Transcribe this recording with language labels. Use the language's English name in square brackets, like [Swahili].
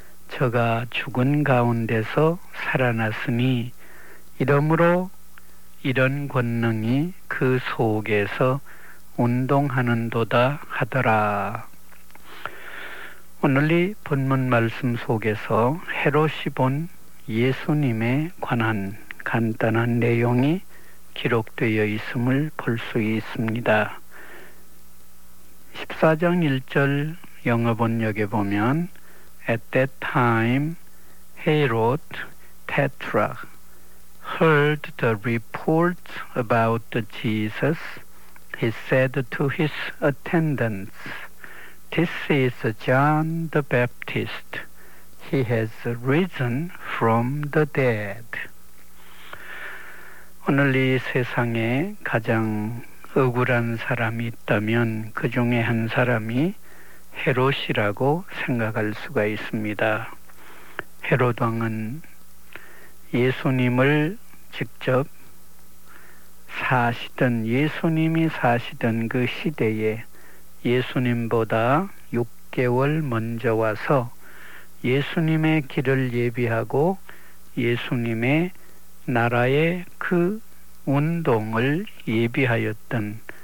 [Korean] 저가 죽은 가운데서 살아났으니 이러므로 이런 권능이 그 속에서 운동하는도다 하더라. 오늘 이 본문 말씀 속에서 헤롯이 본 예수님에 관한 간단한 내용이 기록되어 있음을 볼 수 있습니다. 14장 1절 영어 번역에 보면 [English] At that time, Herod Tetrarch heard the report about Jesus. He said to his attendants, This is John the Baptist. He has risen from the dead. [Korean] 오늘 이 세상에 가장 억울한 사람이 있다면 그 중에 한 사람이 헤롯이라고 생각할 수가 있습니다. 헤롯 왕은 예수님을 직접 사시던 예수님이 사시던 그 시대에 예수님보다 6개월 먼저 와서 예수님의 길을 예비하고 예수님의 나라의 그 운동을 예비하였던